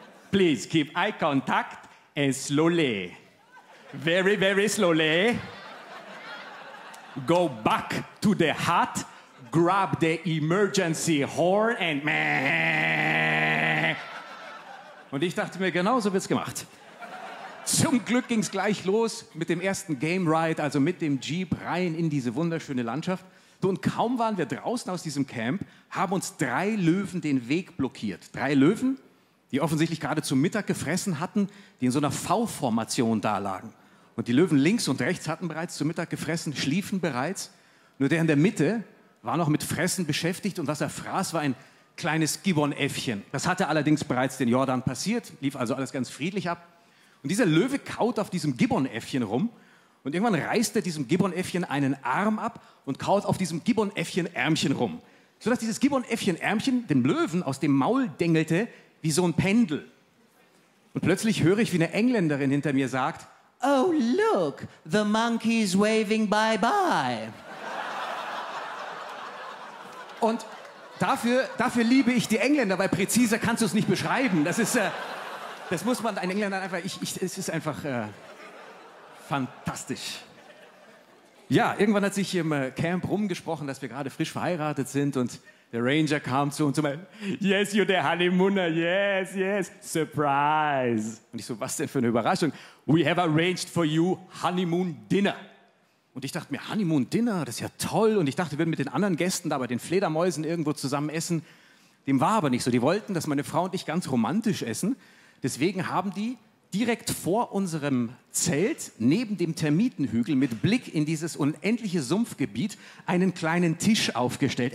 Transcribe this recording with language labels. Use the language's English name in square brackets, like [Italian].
[English] Please keep eye contact and slowly, very, very slowly, go back to the hut, grab the emergency horn and meh. [German] Und ich dachte mir, genau so wird's gemacht. Zum Glück ging's gleich los mit dem ersten Game Ride, also mit dem Jeep rein in diese wunderschöne Landschaft. Und kaum waren wir draußen aus diesem Camp, haben uns 3 Löwen den Weg blockiert. 3 Löwen, die offensichtlich gerade zum Mittag gefressen hatten, die in so einer V-Formation da lagen. Und die Löwen links und rechts hatten bereits zu Mittag gefressen, schliefen bereits. Nur der in der Mitte war noch mit Fressen beschäftigt und was er fraß, war ein kleines Gibbonäffchen. Das hatte allerdings bereits den Jordan passiert, lief also alles ganz friedlich ab. Und dieser Löwe kaut auf diesem Gibbonäffchen rum und irgendwann reißt er diesem Gibbonäffchen einen Arm ab und kaut auf diesem Gibbonäffchen Ärmchen rum. Sodass dieses Gibbonäffchen Ärmchen dem Löwen aus dem Maul dengelte wie so ein Pendel. Und plötzlich höre ich, wie eine Engländerin hinter mir sagt, [English] Oh look, the monkey's waving bye bye. [German] Und dafür liebe ich die Engländer, weil präziser kannst du es nicht beschreiben. Das ist, das muss man den Engländern einfach, es ist einfach fantastisch. Ja, irgendwann hat sich im Camp rumgesprochen, dass wir gerade frisch verheiratet sind und der Ranger kam zu uns und meinte, [English] Yes, you're the honeymooner, yes, yes, surprise. [German] Und ich so, was denn für eine Überraschung? [English] We have arranged for you honeymoon dinner. [German] Und ich dachte mir, Honeymoon Dinner, das ist ja toll. Und ich dachte, wir würden mit den anderen Gästen da bei den Fledermäusen irgendwo zusammen essen. Dem war aber nicht so. Die wollten, dass meine Frau und ich ganz romantisch essen. Deswegen haben die direkt vor unserem Zelt, neben dem Termitenhügel, mit Blick in dieses unendliche Sumpfgebiet, einen kleinen Tisch aufgestellt.